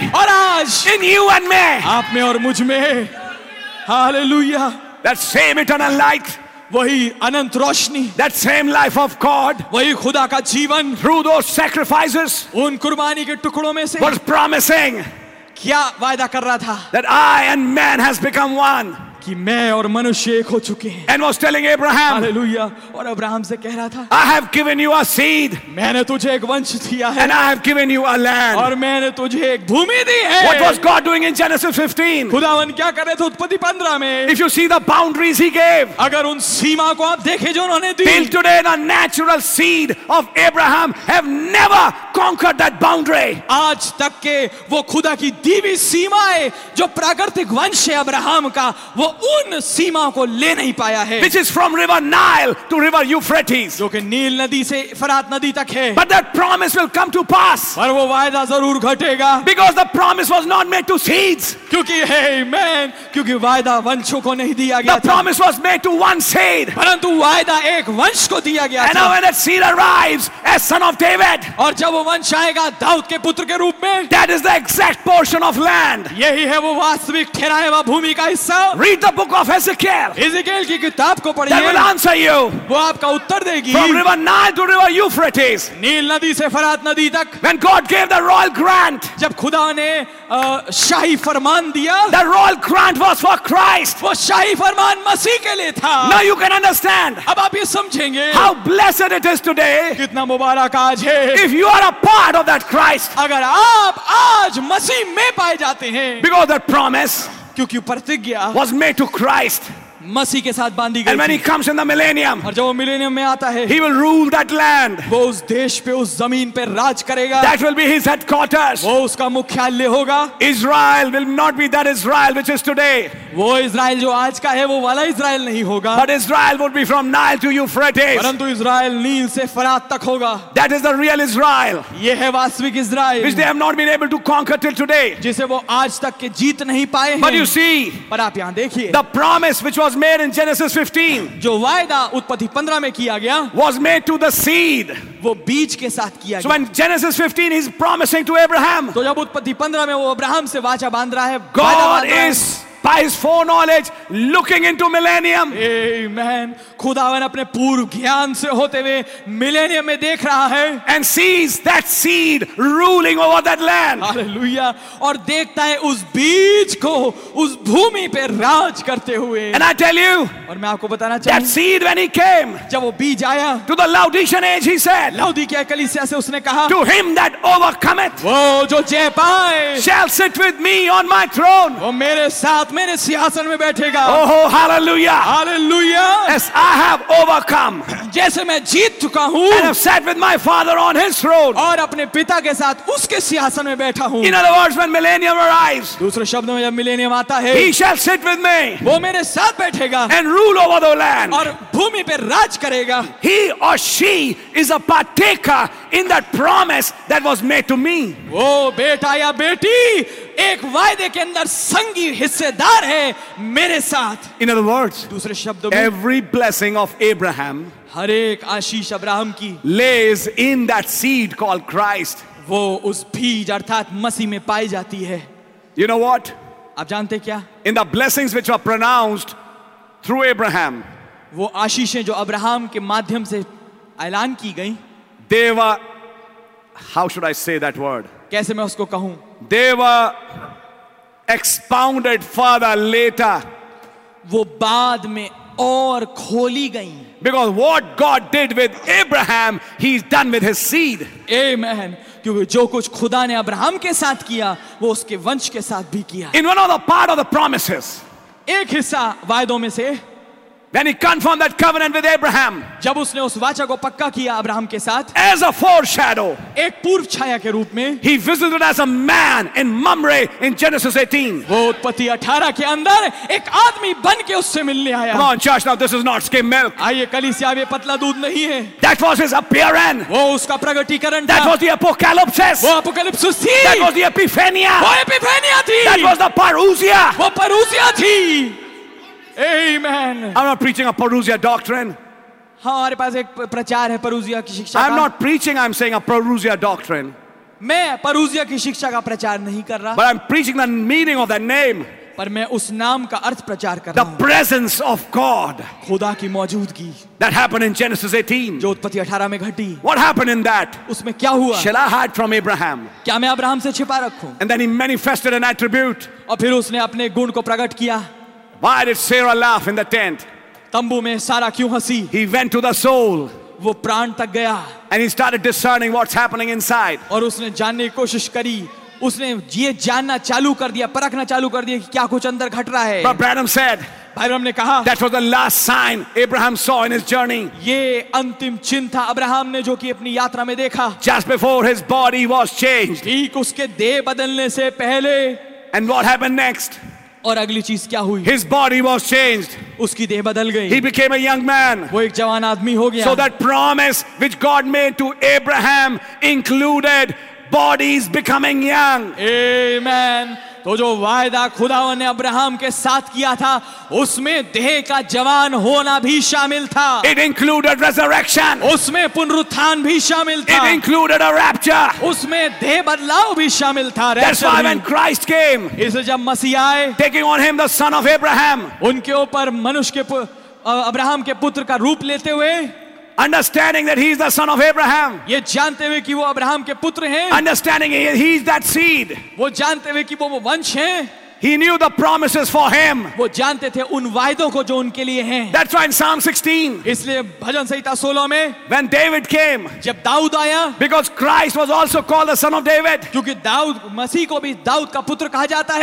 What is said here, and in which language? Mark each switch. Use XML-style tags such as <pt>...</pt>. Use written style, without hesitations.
<hi>और आज</hi> <en>in you and me</en> <hi>आप में और मुझ में hallelujah</hi> <en>that same eternal light</en> <hi>वही अनंत रोशनी</hi> <en>that same life of God</en> <hi>वही खुदा का जीवन</hi> <en>through those sacrifices</en> <hi>उन कुर्बानी के टुकड़ों में से</hi> <en>was promising</en> <hi>क्या वायदा कर रहा था</hi> <en>that I and man has become one</en> <hi>कि मैं और मनुष्य एक हो चुके हैं.</hi> <en>And was telling Abraham,</en> <hi>Hallelujah. और अब्राहम से कह रहा था,</hi> <en>I have given you a seed.</en> <hi>मैंने तुझे एक वंश दिया है.</hi> <en>And I have given you a land.</en> <hi>और मैंने तुझे एक भूमि दी है.</hi> <en>What was God doing in Genesis 15?</en> <hi>खुदावन क्या कर रहे थे उत्पत्ति 15 में?</hi> <en>If you see the boundaries He gave,</en> <hi>अगर उन सीमा को आप देखें जो उन्होंने दी,</hi> <en>till today the natural seed of Abraham have never conquered that boundary.</en> <hi>आज तक के वो खुदा की दीवी सीमाएं जो प्राकृतिक वंश है अब्राहम का, वो उन सीमा को ले नहीं पाया है.</hi> <en>Which is from river Nile to river Euphrates.</en> <hi>जो कि नील नदी से फरात नदी तक है.</hi> <en>But that promise will come to pass.</en> <hi>पर वो वायदा जरूर घटेगा.</hi> <en>Because the promise was not made to seeds.</en> <hi>क्योंकि amen, क्योंकि वायदा वंशों को नहीं दिया गया.</hi> <en>The promise was made to one seed.</en> <hi>परंतु वायदा एक वंश को दिया गया.</hi> <en>And when that seed arrives as son of David.</en> <hi>और जब वो वंश आएगा दाऊद के पुत्र के रूप में.</hi> <en>That is the exact portion of land.</en> <hi>यही है वो वास्तविक ठहराया हुआ भूमि का हिस्सा.</hi> <en>Read the book of Ezekiel.</en> <hi>Ezekiel की किताब को पढ़िए.</hi> <en>That will answer you.</en> <hi>वो आपका उत्तर देगी.</hi> <en>From river Nile to river Euphrates.</en> <hi>नील नदी से फरात नदी तक.</hi> <en>When God gave the royal grant.</en> <hi>जब खुदा ने शाही फरमान दिया.</hi> <en>The royal grant was for Christ.</en> <hi>वो शाही फरमान मसीह के लिए था.</hi> <en>Now you can understand.</en> <hi>अब आप ये समझेंगे.</hi> <en>How blessed it is today.</en> <hi>कितना मुबारक आज है.</hi> <en>If you are a part of that Christ.</en> <hi>अगर आप आज मसीह में पाए जाते हैं.</hi> <en>Because that promise.</en> <hi>क्योंकि प्रतिज्ञा</hi> <en>was made to Christ.</en> <hi>मसीह के साथ बांधी गई.</hi> <en>And when he comes in the millennium.</en> <hi>और जब वो मिलेनियम में आता है.</hi> <en>He will rule that land.</en> <hi>वो उस देश पे उस जमीन पे राज करेगा.</hi> <en>That will be his headquarters.</en> <hi>वो उसका मुख्यालय होगा.</hi> <en>Israel will not be that Israel which is today.</en> <hi>वो इज़राइल जो आज का है वो वाला इज़राइल नहीं होगा.</hi> <en>But Israel would be from Nile to Euphrates.</en> <hi>परंतु इज़राइल नील से फरात तक होगा.</hi> <en>That is the real Israel.</en> <hi>ये है वास्तविक Israel.</hi> <en>Which they have not been able to conquer till today.</en> <hi>जिसे वो आज तक के जीत नहीं पाए हैं.</hi> <en>But you see.</en> <hi>पर आप यहां देखिए.</hi> <en>The promise which was made in Genesis 15.</en> <hi>जो वायदा उत्पत्ति 15 में किया गया.</hi> <en>Was made to the seed.</en> <hi>वो बीज के साथ किया.</hi> <en>So when Genesis 15 he's promising to Abraham.</en> <hi>तो जब उत्पत्ति 15 में वो अब्राहम से वाचा बांध रहा है.</hi> <en>God is by his foreknowledge looking into millennium. Amen.</en> <hi>खुदावन अपने पूर्व ज्ञान से होते हुए मिलेनियम में देख रहा है.</hi> <en>And sees that seed ruling over that land. Hallelujah.</en> <hi>और देखता है उस बीज को उस भूमि पे राज करते हुए.</hi> <en>And I tell you.</en> <hi>और मैं आपको बताना चाहूं.</hi> <en>That seed when he came.</en> <hi>जब वो बीज आया.</hi> <en>To the Laodicean age he said.</en> <hi>लौदीकिया कलीसिया से उसने कहा.</hi> <en>To him that overcometh.</en> <hi>वो जो जय पाए.</hi> <en>Shall sit with me on my throne.</en> <hi>वो मेरे साथ मेरे सिंहासन में बैठेगा.</hi> <en>Oh hallelujah. Hallelujah. I have overcome.</en> <hi>जैसे मैं जीत चुका हूँ.</hi> <en>And have sat with my father on his throne.</en> <hi>और अपने पिता के साथ उसके सिंहासन में बैठा हूँ.</hi> <en>In other words, when millennium arrives.</en> <hi>दूसरे शब्दों में जब मिलेनियम आता है.</hi> <en>He shall sit with me.</en> <hi>वो मेरे साथ बैठेगा.</hi> <en>And rule over the land.</en> <hi>और भूमि पे राज करेगा.</hi> <en>He or she is a partaker in that promise that was made to me.</en> <hi>वो बेटा या बेटी एक वायदे के अंदर संगी हिस्सेदार है मेरे साथ.</hi> <en>In other words.</en> <hi>दूसरे शब्दों में.</hi> <en>Every blessing of Abraham.</en> <hi>हर एक आशीष अब्राहम की.</hi> <en>Lays in that seed called Christ.</en> <hi>वो उस बीज अर्थात मसीह में पाई जाती है.</hi> <en>You know what?</en> <hi>आप जानते क्या?</hi> <en>In the blessings which were pronounced through Abraham.</en> <hi>वो आशीषें जो अब्राहम के माध्यम से ऐलान की गई.</hi> <en>They were, how should I say that word?</en> <hi>कैसे मैं उसको कहूं?</hi> <en>They were expounded further later.</en> <hi>वो बाद में और खोली गई.</hi> <en>Because what God did with Abraham, he's done with his seed. Amen.</en> <hi>क्योंकि जो कुछ खुदा ने अब्राहम के साथ किया वो उसके वंश के साथ भी किया.</hi> <en>In one of the part of the promises.</en> <hi>एक हिस्सा वायदों में से.</hi> <en>Then he confirmed that covenant with Abraham.</en> <hi>जब उसने उस वाचा को पक्का किया अब्राहम के साथ.</hi> <en>As a foreshadow.</en> <hi>एक पूर्व छाया के रूप में.</hi> <en>He visited as a man in Mamre in Genesis 18.</en> <hi>वो उत्पत्ति 18 के अंदर एक आदमी बन के उससे मिलने आया.</hi> <en>Come on, church, now this is not skim milk.</en> <hi>आइए कलीसिया ये पतला दूध नहीं है.</hi> <en>That was his appearance.</en> <hi>वो उसका प्रगटीकरण.</hi> <en>That was the apocalypse.</en> <hi>वो अपोकलिप्सिस थी.</hi> <en>That was the epiphania.</en> <hi>वो एपिफेनिया थी.</hi> <en>That was the parousia.</en> <hi>वो परूसिया थी. Amen.</hi> <en>I'm not preaching a parousia doctrine.</en> <hi>हाँ हमारे पास एक प्रचार है परूसिया की शिक्षा.</hi> <en>I'm not preaching. I'm saying a parousia doctrine.</en> <hi>मैं परूसिया की शिक्षा का प्रचार नहीं कर रहा.</hi> <en>But I'm preaching the meaning of that name.</en> <hi>पर मैं उस नाम का अर्थ प्रचार कर रहा हूँ.</hi> <en>The presence of God.</en> <hi>खुदा की मौजूदगी.</hi> <en>That happened in Genesis 18.</en> <hi>जो उत्पत्ति 18 में घटी.</hi> <en>What happened in that?</en> <hi>उसमें क्या हुआ?</hi> <en>Shall I hide from Abraham?</en> <hi>क्या मैं अब्राहम से छिपा रखूँ?</hi> <en>And then he manifested an attribute.</en> <hi>और फिर उसने अपने गुण को प्रकट किया.</hi> <en>Why did Sarah laugh in the tent?</en> <hi>तंबू में सारा क्यों हंसी?</hi> <en>He went to the soul.</en> <hi>वो प्राण तक गया.</hi> <en>And he started discerning what's happening inside.</en> <hi>और उसने जानने की कोशिश करी. उसने ये जानना चालू कर दिया, परखना चालू कर दिया कि क्या कुछ अंदर घट रहा है.</hi> <en>But Branham said.</en> <hi>Abraham ने कहा.</hi> <en>That was the last sign Abraham saw in his journey.</en> <hi>ये अंतिम चिन्ह था अब्राहम ने जो कि अपनी यात्रा में देखा.</hi> <en>Just before his body was changed.</en> <hi>ठीक उसके देह बदलने से पहले.</hi> <en>And what happened next?</en> <hi>और अगली चीज क्या हुई?</hi> <en>His body was changed.</en> <hi>उसकी देह बदल गई.</hi> <en>He became a young man.</en> <hi>वो एक जवान आदमी हो गया.</hi> <en>So that promise which God made to Abraham included bodies becoming young. Amen.</en> <hi>तो जो वायदा खुदावन ने अब्राहम के साथ किया था उसमें देह का जवान होना भी शामिल था.</hi> <en>It included resurrection.</en> <hi>उसमें पुनरुत्थान भी शामिल था.</hi> <en>It included a rapture.</en> <hi>उसमें देह बदलाव भी शामिल था.</hi> <en>That's why when Christ came,</en> <hi>इसे जब मसीह आए,</hi> <en>taking on him the son of Abraham,</en> <hi>उनके ऊपर मनुष्य के अब्राहम के पुत्र का रूप लेते हुए,</hi> <en>understanding that he is the son of Abraham,</en> <hi>ये जानते हुए कि वो अब्राहम के पुत्र हैं,</hi> <en>understanding he is that seed,</en> <hi>वो जानते हुए कि वो वंश हैं,</hi> <en>he knew the promises for him,</en> <hi>वो जानते थे उन वायदों को जो उनके लिए हैं.</hi> <en>That's why in Psalm 16,</en> <hi>इसलिए भजन संहिता 16 में,</hi> <en>when David came,</en> <hi>जब दाऊद आया,</hi> <en>because Christ was also called the son of David,</en> <hi>क्योंकि दाऊद मसीह को भी दाऊद का पुत्र कहा जाता है,</hi>